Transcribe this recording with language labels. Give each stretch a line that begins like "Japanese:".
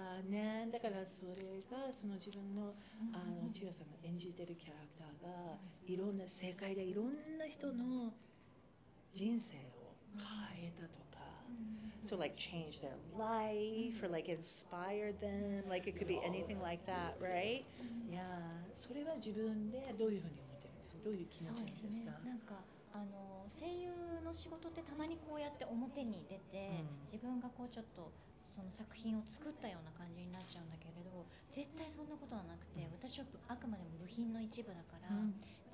Japanese: ね、だからそれがその自分の、あの、千葉さんの演じてるキャラクターがいろんな世界でいろんな人の人生を変えたとか。
English: So like change their life or like inspire them, like it could be anything like that, right? Yeah.
Japanese: それは自分でどういうふうに思ってるんですか？どういう気持ちですか？そうですね。なんか、あの、声優の仕事ってたまにこうやって表に出て、mm. 自分がこうちょっとその作品を作ったような感じになっちゃうんだけれど、絶対そんなことはなくて、私はあくまでも部品の一部だから、mm.